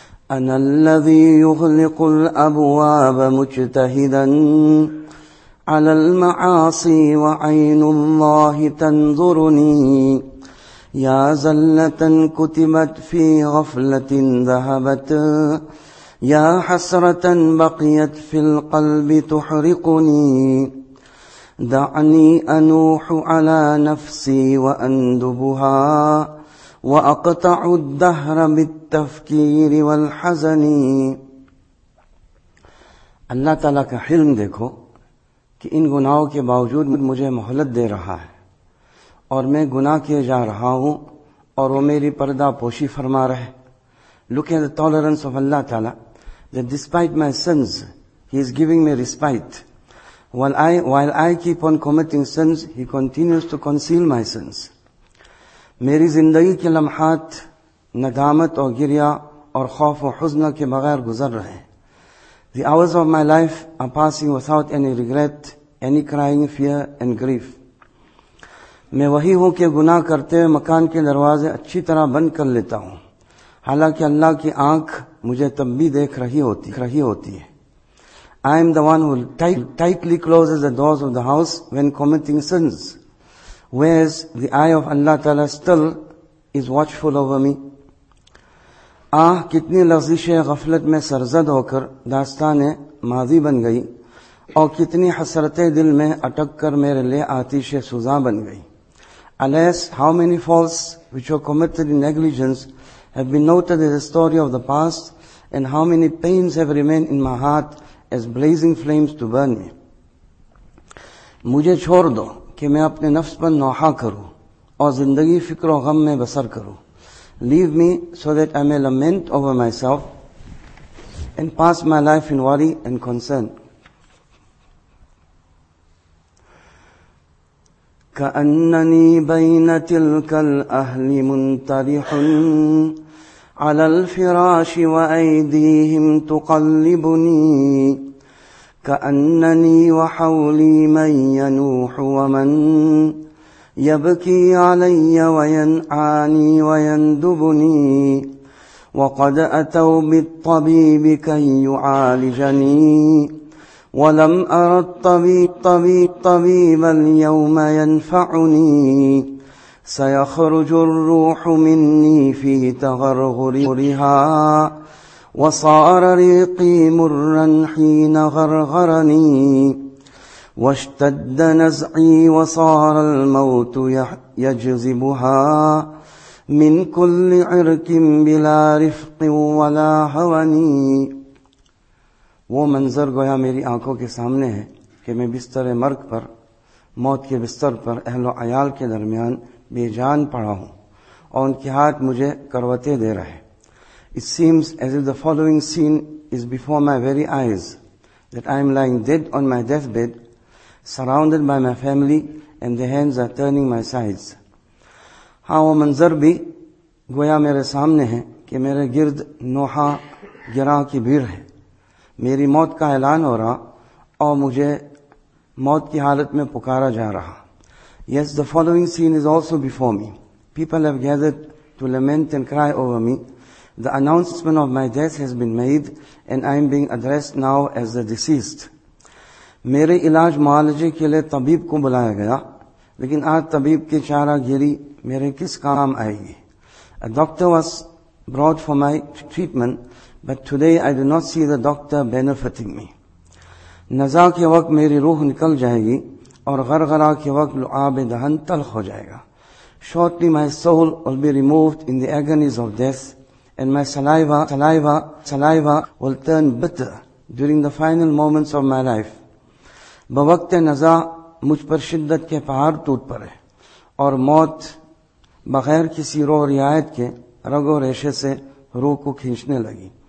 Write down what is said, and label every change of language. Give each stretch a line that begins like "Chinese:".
Arabic: أنا الذي يغلق الأبواب مجتهدا على المعاصي وعين الله تنظرني يا زلة كتبت في غفلة ذهبت يا حسرة بقيت في القلب تحرقني دعني أنوح على نفسي وأندبها وأقطع الدهر بالتفكير والحزن.
Urdu: اللہ تعالیٰ کا حلم دیکھو کہ ان گناہوں کے باوجود مجھے مہلت دے رہا ہے اور میں گناہ کیے جا رہا ہوں اور وہ میری پردہ پوشی فرما رہے.
English: Look at the tolerance of Allah Ta'ala, that despite my sins, He is giving me respite. While I keep on committing sins, He continues to conceal my sins.
Urdu: میری زندگی کے لمحات ندامت اور گریہ اور خوف و حزن کے بغیر گزر رہے.
English: The hours of my life are passing without any regret, any crying, fear and grief.
Urdu: میں وہی ہوں کہ گناہ کرتے ہوئے مکان کے دروازے اچھی طرح بند کر لیتا ہوں, حالانکہ اللہ کی آنکھ مجھے تب بھی دیکھ رہی ہوتی ہے.
English: I am the one who tightly closes the doors of the house when committing sins, whereas the eye of Allah Ta'ala still is watchful over me.
Urdu: آہ کتنی لغزش غفلت میں سرزد ہو کر داستان ماضی بن گئی, اور کتنی حسرتیں دل میں اٹک کر میرے لیے آتش سوزا بن گئی.
English: Alas, how many faults which were committed in negligence have been noted as a story of the past, and how many pains have remained in my heart as blazing flames to burn me.
Urdu: مجھے چھوڑ دو کہ میں اپنے نفس پر نوحہ کروں اور زندگی فکر و غم میں بسر کروں.
English: Leave me so that I may lament over myself and pass my life in worry and concern.
Arabic: كأنني بين تلك الأهل منطرح على الفراش وأيديهم تقلبني كأنني وحولي من ينوح ومن يبكي علي وينعاني ويندبني وقد أتوا بالطبيب كي يعالجني ولم أر الطبيب اليوم ينفعني سيخرج الروح مني في تغرغرها وصار ريقي مرا حين غرغرني واشتد نزعي وصار الموت يجذبها من كل عرك بلا رفق ولا هوني.
Urdu: وہ منظر گویا میری آنکھوں کے سامنے ہے کہ میں بستر مرگ پر, موت کے بستر پر اہل و عیال کے درمیان بے جان پڑا ہوں اور ان کے ہاتھ مجھے کروتے دے رہے.
English: It seems as if the following scene is before my very eyes, that I am lying dead on my deathbed, surrounded by my family and the hands are turning my sides.
Urdu: ہاں وہ منظر بھی گویا میرے سامنے ہے کہ میرے گرد نوحہ گراہ کی بھیڑ ہے, میری موت کا اعلان ہو رہا اور مجھے موت کی حالت میں پکارا جا رہا.
English: Yes, the following scene is also before me. People have gathered to lament and cry over me. The announcement of my death has been made and I am being addressed now as the deceased.
Urdu: میرے علاج معالجے کے لیے طبیب کو بلایا گیا, لیکن آج طبیب کی چارہ گیری میرے کس کام آئے گی.
English: A doctor was brought for my treatment, but today I do not see the doctor benefiting me.
Urdu: نزا کے وقت میری روح نکل جائے گی اور غرغرا کے وقت لعاب دہن تلخ ہو جائے گا.
English: Shortly my soul will be removed in the agonies of death and my saliva will turn bitter during the final moments of my life.
Urdu: بوقت نزا مجھ پر شدت کے پہاڑ ٹوٹ پڑے اور موت بغیر کسی رو رعایت کے رگ و ریشے سے روح کو کھینچنے لگی.